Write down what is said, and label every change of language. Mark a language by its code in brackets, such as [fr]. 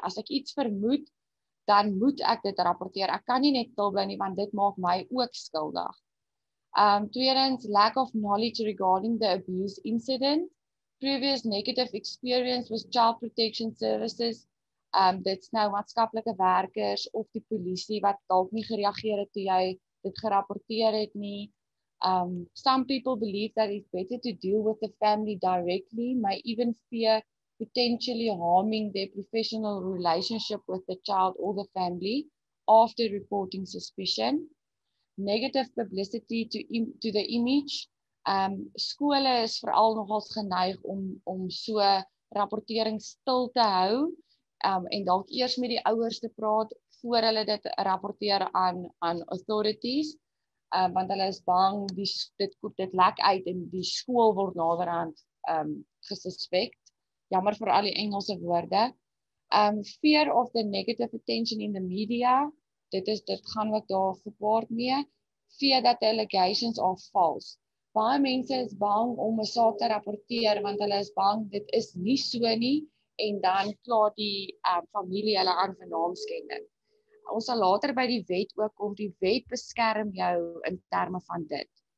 [af] As ek iets vermoed, dan moet ek dit rapporteer. Ek kan nie net stilbly nie, want dit maak my ook skuldig. Tweedens, [en] lack of knowledge regarding the abuse incident. Previous negative experience with child protection services. [af] Dit's nou maatskaplike werkers of die polisie wat dalk nie gereageer het toe jy dit gerapporteer het nie. [en] Some people believe that it's better to deal with the family directly, may even fear potentially harming their professional relationship with the child or the family after reporting suspicion. Negative publicity to the image. [af] Skole is veral nogals geneig om so rapportering stil te hou en dalk eers met die ouers te praat voor hulle dit rapporteer aan authorities. Want hulle is bang dit lek uit en die skool word naderhand gesuspek. Jammer vir al die Engelse woorde. [en] Fear of the negative attention in the media. [af] Dit gaan ook daar gepaard mee. [en] Fear that the allegations are false. [af] Baie mense is bang om 'n saak te rapporteer want hulle is bang dit is nie so nie en dan kla die familie hulle aan vir naamskending. Ons sal later by die wet ook kom, die wet beskerm jou in terme van dit.